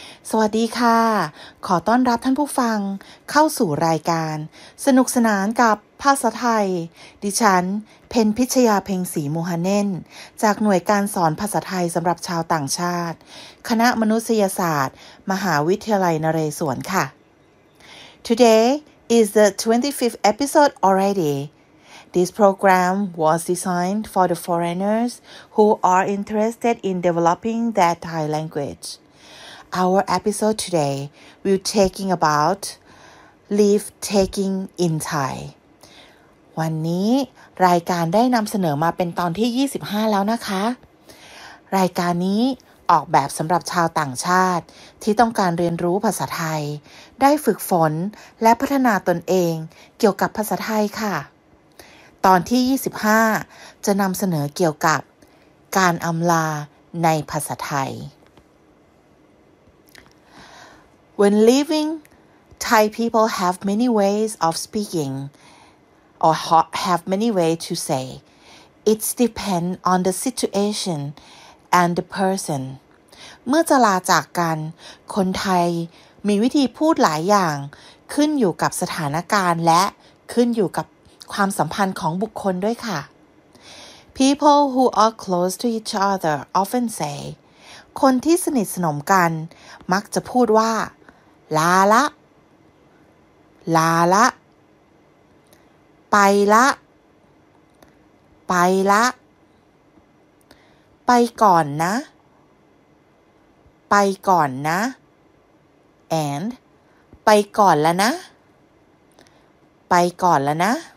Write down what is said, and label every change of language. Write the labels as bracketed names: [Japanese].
[Thai] สวัสดีค่ะขอต้อนรับท่านผู้ฟังเข้าสู่รายการสนุกสนานกับภาษาไทยดิฉันเพ็ญพิชยาเพ็งศรีมูฮาเน่นจากหน่วยการสอนภาษาไทยสำหรับชาวต่างชาติคณะมนุษยศาสตร์มหาวิทยาลัยนเรศวรค่ะ [English] Today is the 25th episode already. This program was designed for the foreigners who are interested in developing their Thai languageOur episode today, we're talking about leave taking in Thai. [Thai] วันนี้รายการได้นำเสนอมาเป็นตอนที่25แล้วนะคะรายการนี้ออกแบบสำหรับชาวต่างชาติที่ต้องการเรียนรู้ภาษาไทยได้ฝึกฝนและพัฒนาตนเองเกี่ยวกับภาษาไทยค่ะ ตอนที่25จะนำเสนอเกี่ยวกับการอำลาในภาษาไทย [English] When leaving, Thai people have many ways of speaking or have many ways to say. It depends on the situation and the person. [Thai] เมื่อจะลาจากกันคนไทยมีวิธีพูดหลายอย่างขึ้นอยู่กับสถานการณ์และขึ้นอยู่กับความสัมพันธ์ของบุคคลด้วยค่ะ [English] People who are close to each other often say, [Thai] คนที่สนิทสนมกันมักจะพูดว่าลาละลาละไปละไปละไปก่อนนะไปก่อนนะ and ไปก่อนแล้วนะไปก่อนแล้วนะ